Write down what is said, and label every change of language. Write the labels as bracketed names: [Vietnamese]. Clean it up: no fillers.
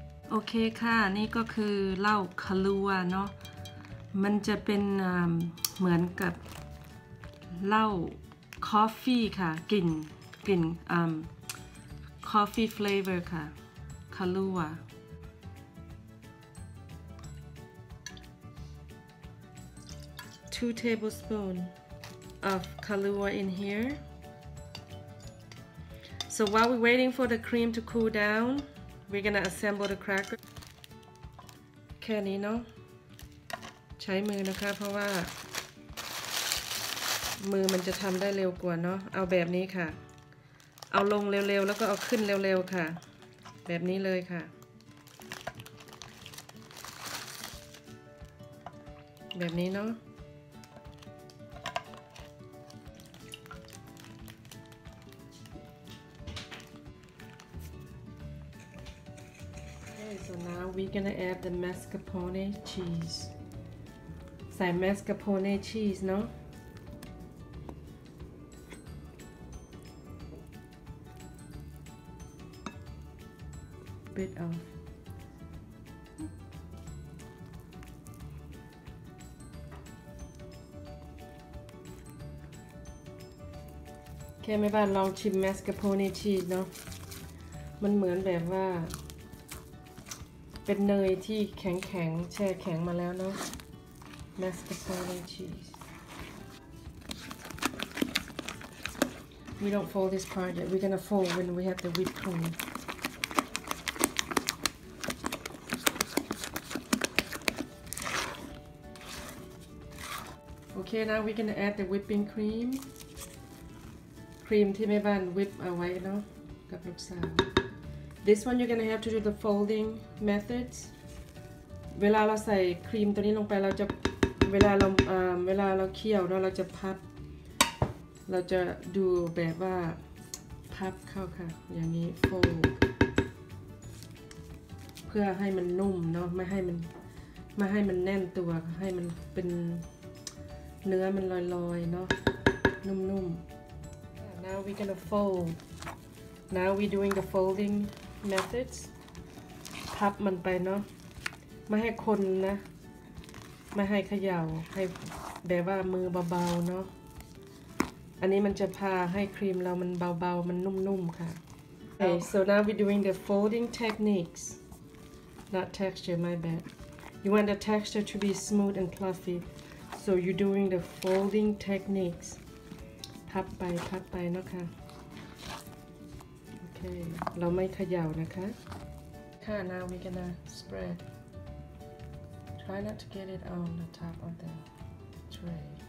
[Thai] โอเคค่ะนี่ก็คือเหล้าคาลัวเนาะมันจะเป็นเหมือนกับเหล้าคอฟฟี่ค่ะกลิ่นคอฟฟี่ฟลีเวอร์ค่ะคาลัว [English] Two tablespoons of kahlua in here. So while we're waiting for the cream to cool down, we're gonna assemble the cracker. [Thai] แค่นี้เนาะใช้มือนะคะเพราะว่ามือมันจะทำได้เร็วกว่าเนาะเอาแบบนี้ค่ะ เอาลงเร็วๆแล้วก็เอาขึ้นเร็วๆค่ะแบบนี้เลยค่ะแบบนี้เนาะ [English] We're gonna add the mascarpone cheese. Say mascarpone cheese, no? Bit of. Okay, my bad. [Thai] ลองชิม [English] mascarpone cheese, no? [Thai] มันเหมือนแบบว่าเป็นเนยที่แข็งๆแช่แข็งมาแล้วเนาะ [English] mascarpone cheese we don't fold this part yet we're gonna fold when we have the whipped cream okay now we're gonna add the whipping cream [Thai] ครีมที่แม่บ้านวิปเอาไว้เนาะกับลูกสาว [English] This one you're gonna have to do the folding methods. [Thai] เวลาเราใส่ครีมตัวนี้ลงไปเราจะเวลาเราเคี่ยวเนาะเราจะพับเราจะดูแบบว่าพับเข้าค่ะอย่างนี้ fold เพื่อให้มันนุ่มเนาะไม่ให้มันแน่นตัวให้มันเป็นเนื้อมันลอยๆเนาะนุ่มๆ [English] Now we're gonna fold. Now we're doing the folding methods. [Thai] พับมันไปเนาะไม่ให้คนนะไม่ให้เขย่าให้แบบว่ามือเบาๆเนาะ อันนี้มันจะพาให้ครีมเรามันเบาๆมันนุ่มๆค่ะ [English] Okay, so now we're doing the folding techniques not texture my bad you want the texture to be smooth and fluffy so you're doing the folding techniques [Thai] พับไปเนาะค่ะโอเคเราไม่เขย่านะคะค่ะ [English] now we're gonna spreadTry not to get it on the top of the tray.